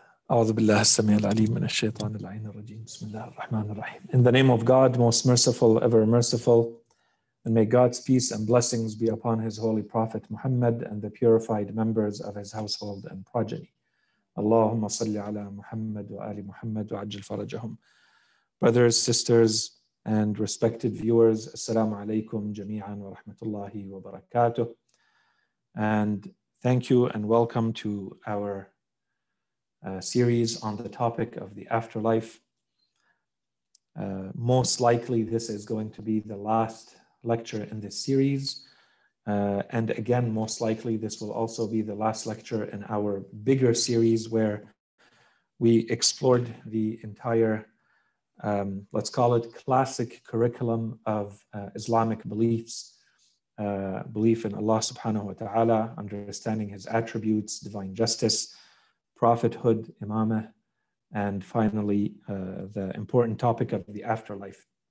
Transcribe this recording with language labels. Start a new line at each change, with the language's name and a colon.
Arabic: أعوذ بالله السميع العليم من الشيطان اللعين الرجيم بسم الله الرحمن الرحيم.
English: In the name of God, most merciful, ever merciful, and may God's peace and blessings be upon his holy prophet Muhammad and the purified members of his household and progeny.
Arabic: اللهم صل على محمد وآل محمد وعجل فرجهم.
English: Brothers, sisters, and respected viewers,
Arabic: السلام عليكم جميعا ورحمة الله وبركاته.
English: And thank you and welcome to our series on the topic of the afterlife. Most likely, this is going to be the last lecture in this series. And again, most likely, this will also be the last lecture in our bigger series where we explored the entire, let's call it classic curriculum of Islamic beliefs, belief in Allah subhanahu wa ta'ala, understanding his attributes, divine justice, prophethood, imamah, and finally, the important topic of the afterlife.